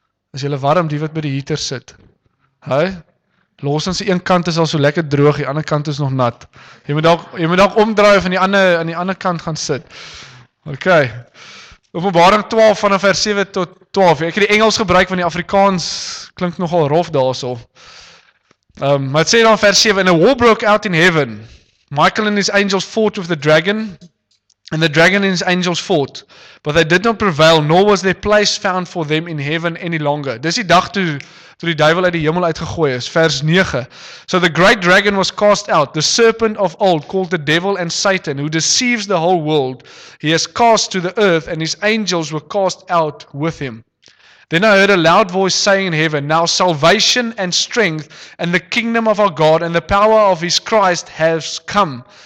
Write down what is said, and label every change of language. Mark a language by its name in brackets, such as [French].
[Afrikaans] As jy warm, die wat by die heater sit. Hy, los ons die een kant is al so lekker droog, die ander kant is nog nat. Jy moet dalk omdraai van die ander kant gaan sit. Ok, Openbaring 12 vanaf vers 7 tot 12. Ek het die Engels gebruik, want die Afrikaans klink nogal rof daar so. Maar het sê dan vers 7, [English] and a war broke out in heaven. Michael and his angels fought with the dragon, and the dragon and his angels fought, but they did not prevail, nor was their place found for them in heaven any longer. [Afrikaans] Dis die dag toe die duivel uit die hemel uitgegooi is, vers 9. [English] So the great dragon was cast out, the serpent of old, called the devil and Satan, who deceives the whole world. He is cast to the earth, and his angels were cast out with him. Then I heard a loud voice saying in heaven, now salvation and strength and the kingdom of our God and the power of his Christ has come.